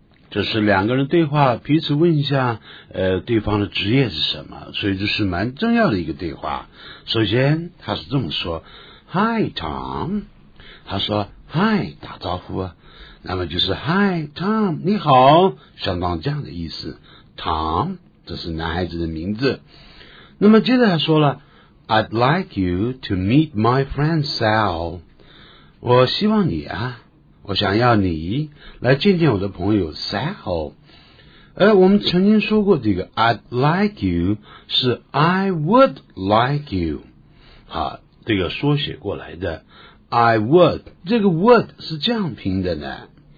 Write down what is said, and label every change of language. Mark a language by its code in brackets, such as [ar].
[zh] 这是两个人对话，彼此问一下，对方的职业是什么，所以这是蛮重要的一个对话。首先，他是这么说 ， [en] Hi, Tom. [zh] 他说 ，Hi, 打招呼，那么就是 Hi, Tom, 你好，相当这样的意思 ，Tom. 这是男孩子的名字。那么接着他说了 [en] I'd like you to meet my friend Sal. [zh] 我希望你啊，我想要你来见见我的朋友 Sal. 我们曾经说过这个 [en] I'd like you [zh] 是 [en] I would like you. [zh] 好，这个缩写过来的 I would, 这个 would 是这样拼的呢。